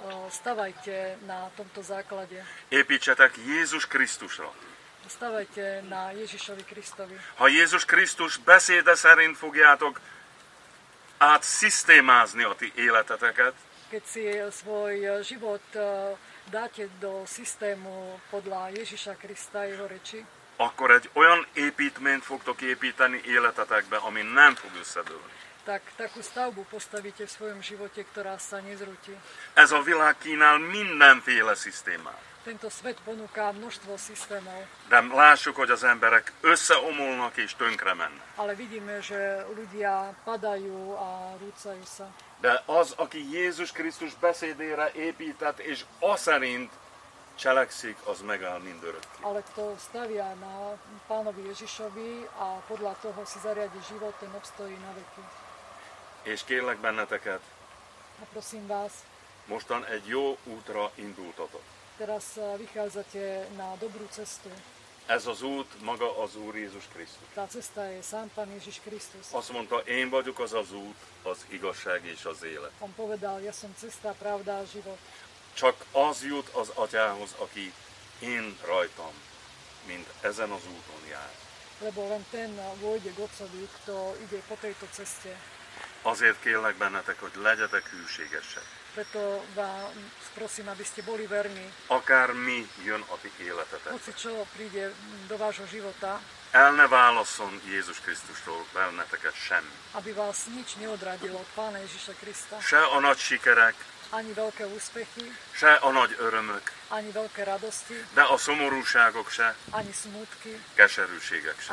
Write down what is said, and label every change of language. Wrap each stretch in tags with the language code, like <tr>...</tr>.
<sk>Stavajte na tomto základe.</sk> <hu>Építsetek Jézus Krisztusra.</hu> <sk>Stavajte na Ježišovi Kristovi.</sk> <hu>Ha Jézus Krisztus beszéde szerint fogjátok átszisztémázni a ti életeteket,</hu> <sk>keď si svoj život dáte do systému podľa Ježiša Krista, jeho reči,</sk> <hu>akkor egy olyan építményt fogtok építeni életetekbe, ami nem fog összedőlni.</hu> <sk>Tak takú stavbu postavíte v svojom živote, ktorá sa nezrúti.</sk> <hu>Ez a világ kínál mindenféle systémát.</hu> <sk>Tento svet ponúká množstvo systémov.</sk> <hu>De lássuk, hogy az emberek összeomolnak és tönkre mennek.</hu> <sk>Ale vidíme, že ľudia padajú a rúcajú sa.</sk> <hu>De az, aki Jézus Krisztus beszédére épített, és aszerint cselekszik, az megáll mindörökké.</hu> <sk>Ale kto stavia na Pánovi Ježišovi a podľa toho si zariadi život, ten obstojí na veky.</sk> <hu>És kérlek benneteket.</hu> <sk>A prosím vás.</sk> <hu>Mostan egy jó útra indultatok.</hu> <sk>Teraz vychádzate na dobrú cestu.</sk> <hu>Ez az út maga az Úr Jézus Krisztus.</hu> <sk>Tá cesta je sám Pán Ježiš Kristus.</sk> <hu>Azt mondta, én vagyok az az út, az igazság és az élet.</hu> <sk>On povedal, ja som cesta, pravda a život.</sk> <hu>Csak az jut az Atyához, aki én rajtam, mint ezen az úton jár.</hu> <sk>Lebo len ten vôjde k Otcovi, kto ide po tejto ceste.</sk> <hu>Azért kérlek bennetek, hogy legyetek hűségesek.</hu> <sk>Preto vám prosím, aby ste boli verní.</sk> <hu>Akár mi jön a ti életetek.</hu> <sk>Hoci čo príde do vášho života.</sk> <hu>El ne válaszol Jézus Krisztustól benneteket sem.</hu> <sk>Aby vás nič neodradilo od Pána Ježiša Krista.</sk> <hu>Se a nagy sikerek.</hu> <sk>Ani veľké úspechy.</sk> <hu>Se a nagy örömök.</hu> <sk>Ani veľké radosti.</sk> <hu>De a szomorúságok se.</hu> <sk>Ani smutky.</sk> <hu>Keserűségek se.</hu>